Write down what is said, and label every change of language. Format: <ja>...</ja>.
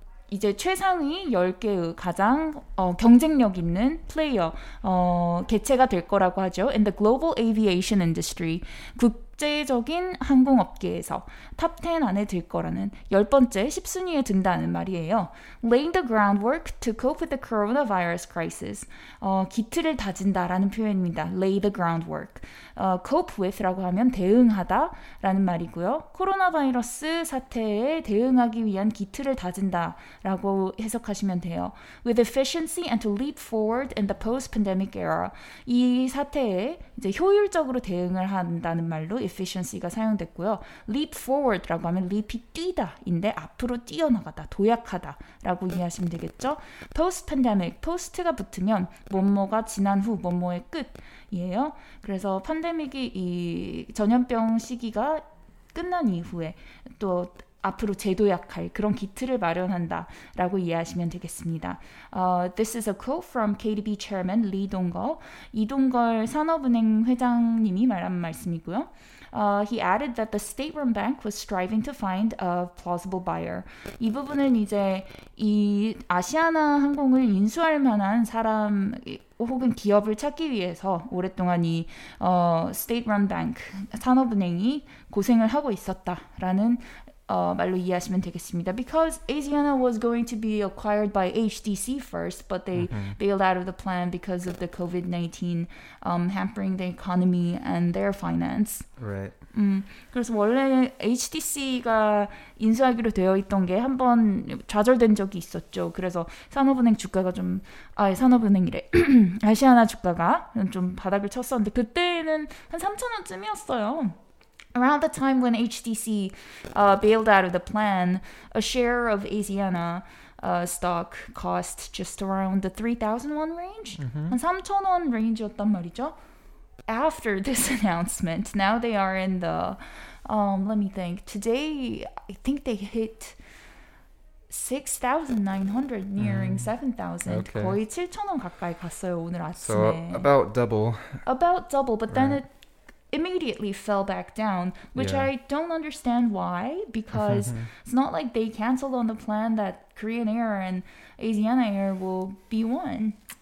<ko>이제 최상위 10개의 가장 경쟁력 있는 플레이어, 개체가 될 거라고 하죠.</ko> <en>In the global aviation industry,</en> <ko>국제적인 항공업계에서 top 10 안에 들 거라는 열 번째 10순위에 든다는 말이에요.</ko> <en>Laying the groundwork to cope with the coronavirus crisis.</en> <ko>기틀을 다진다라는 표현입니다.</ko> <en>Lay the groundwork.</en> <ko>Cope with라고 하면 대응하다라는 말이고요. 코로나 바이러스 사태에 대응하기 위한 기틀을 다진다라고 해석하시면 돼요.</ko> <en>With efficiency and to leap forward in the post-pandemic era.</en> <ko>이 사태에 이제 효율적으로 대응을 한다는 말로 efficiency가 사용됐고요. Leap forward라고 하면 leap이 뛰다인데 앞으로 뛰어나가다, 도약하다라고 이해하시면 되겠죠. Post-pandemic, post가 붙으면 뭐뭐가 지난 후, 뭐뭐의 끝이에요. 그래서 팬데믹이 이 전염병 시기가 끝난 이후에 또 앞으로 재도약할 그런 기틀을 마련한다라고 이해하시면 되겠습니다.</ko> <en>This is a quote from KDB Chairman Lee Dong-geol.</en> <ko>이동걸 산업은행 회장님이 말한 말씀이고요.</ko> <en>He added that the state-run bank was striving to find a plausible buyer.</en> <ko>이 부분은 이제 이 아시아나 항공을 인수할 만한 사람 혹은 기업을 찾기 위해서 오랫동안 이 state-run bank, 산업은행이 고생을 하고 있었다라는 말로 이해하시면 되겠습니다.</ko> <en>Because Asiana was going to be acquired by HTC first, but they mm-hmm. bailed out of the plan because of the COVID-19 hampering the economy and their finance. Right.</en> <ko>그래서 원래 HTC가 인수하기로 되어 있던 게 한 번 좌절된 적이 있었죠. 그래서 산업은행 주가가 좀 산업은행이래. 아시아나 주가가 좀 바닥을 쳤었는데 그때는 한 3천 원쯤이었어요.</ko> <en>Around the time when HTC bailed out of the plan, a share of Asiana stock cost just around the 3,000 won range. Mm-hmm.</en> <ko>한 3,000 won range였단 말이죠.</ko> <en>After this announcement, now they are in the, let me think, today I think they hit 6,900 nearing 7,000. Okay.</en> <ko>거의 7,000 won 가까이 갔어요, 오늘 아침에.</ko> <en>So about double. About double, but then right. it... immediately fell back down, which yeah. I don't understand why, because it's not like they canceled on the plan that Korean Air and Asiana Air will be one.</en>